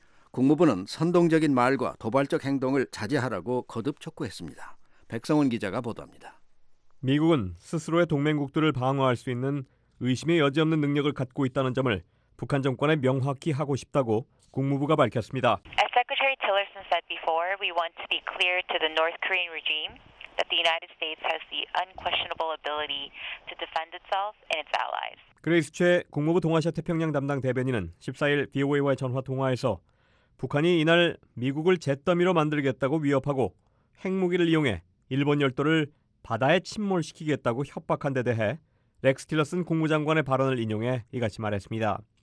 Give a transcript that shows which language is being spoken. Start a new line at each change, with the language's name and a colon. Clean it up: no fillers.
Korean: 국무부는 선동적인 말과 도발적 행동을 자제하라고 거듭 촉구했습니다. 백성원 기자가 보도합니다. 미국은 스스로의 동맹국들을 방어할 수 있는 의심의 여지 없는 능력을 갖고 있다는 점을 북한 정권에 명확히 하고 싶다고 국무부가 밝혔습니다.
English: As Secretary Tillerson said before, we want to be clear to the North Korean regime that the United States has the unquestionable ability to defend itself and its allies.
Korean: 그레이스 최 국무부 동아시아 태평양 담당 대변인은 14일 VOA와의 전화 통화에서 북한이 이날 미국을 잿더미로 만들겠다고 위협하고 핵무기를 이용해 일본 열도를 바다에 침몰시키겠다고 협박한 데 대해 렉스 틸러슨 국무장관의 발언을 인용해 이같이 말했습니다.